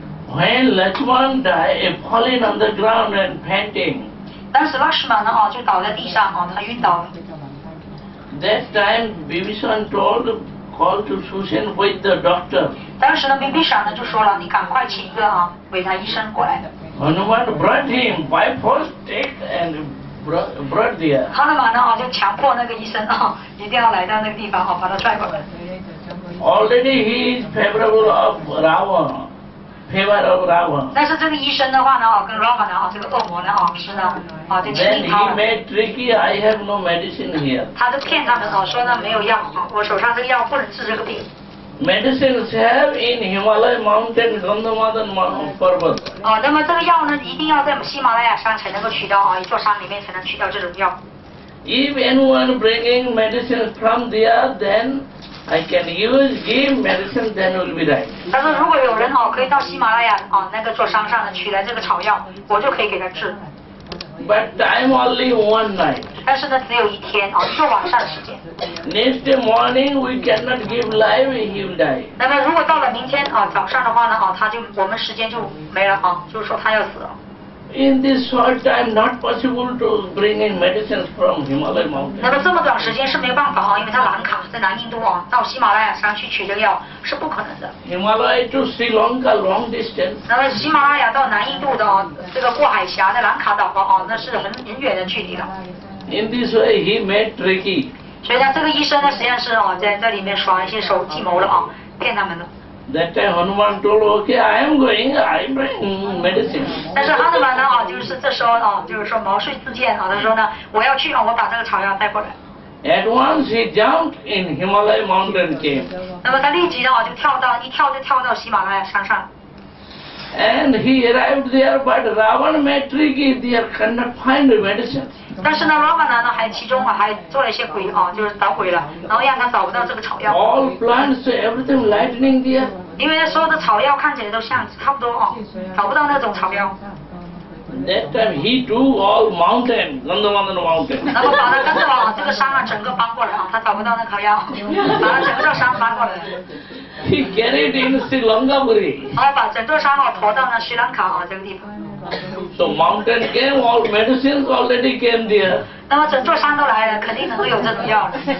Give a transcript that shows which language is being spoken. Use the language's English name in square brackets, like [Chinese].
[English] When Lakshman died, falling on the ground and panting. [Chinese] 当时拉什曼呢、哦、就倒在地上、哦、他晕倒了。 [English] That time, Bibhishan told, call to Sushen with the doctor. [Chinese] 当时呢 ，Bibhishan 呢就说了，你赶快请一个啊，伟大医生过来的。 [English] Hanuman brought him by force, take and brought there. [Chinese] 哈努曼呢、哦、就强迫那个医生啊、哦，一定要来到那个地方啊、哦，把他拽过来。 [English] Already he is favorable of Ravan. Favor of Ravan. [Chinese] 但是这个医生的话呢，跟 Ravan 啊，这个恶魔呢，啊，是呢，啊，就亲近他了。 [English] Then he made tricky. I have no medicine here. [Chinese] 他就骗他们哦，说呢没有药，我手上这个药不能治这个病。 [English] Medicine have in Himalaya mountain, Gandhamadan Parvat. [Chinese] 哦，那么这个药呢，一定要在喜马拉雅山才能够取到啊，一座山里面才能取到这种药。 [English] If anyone bringing medicine from there, then. I can use give medicine, then will be right. [Chinese] 他说如果有人哦，可以到喜马拉雅哦，那个座山上的取来这个草药，我就可以给他治。 [English] But I'm only one night. [Chinese] 但是呢，只有一天哦，一个晚上的时间。 [English] Next morning we cannot give life, he will die. [Chinese] 那么如果到了明天啊、哦、早上的话呢啊、哦，他就我们时间就没了啊、哦，就是说他要死了。 [English] In this short time, not possible to bring in medicines from Himalaya mountain. [Chinese] 那么这么短时间是没办法啊，因为他兰卡在南印度啊，到喜马拉雅山去取这个药是不可能的。 [English] Himalaya to Sri Lanka long distance. [Chinese] 那么喜马拉雅到南印度的这个过海峡，在兰卡岛啊，那是很远的距离了。 [English] In this way, he made tricky. [Chinese] 所以呢，这个医生呢，实际上是啊，在那里面耍一些手计谋了啊，骗他们的。 [English] That time Hanuman told, okay, I am going, I bring medicine. [Chinese] 但是哈努曼呢，就是这时候呢，就是说毛遂自荐啊，他说呢，我要去啊，我把这个草药带过来。 [English] At once he jumped in Himalaya mountain cave. [Chinese] 那么他立即呢，就跳到，一跳就跳到喜马拉雅山上。 [English] And he arrived there, but Ravan made tricky, they cannot find the medicine. [Chinese] 但是呢，罗曼呢，还其中啊，还做了一些鬼啊，就是捣鬼了，然后让他找不到这个草药。 [English] All plants, everything lightning there. [Chinese] 因为所有的草药看起来都像差不多啊，找不到那种草药。 [English] That time he drew all mountain, Gandhamadan mountain. [Chinese] 那么把他跟着啊，这个山啊，整个搬过来啊，他找不到那草药，把他整个山搬过来。 [English] He get it in Sri Lanka, Puri. [Chinese] 然后把整座山驼到了 Sri Lanka 这个地方。 [English] So mountain came, all medicines already came there. [Chinese] 那么整座山都来了，肯定能够有这种药。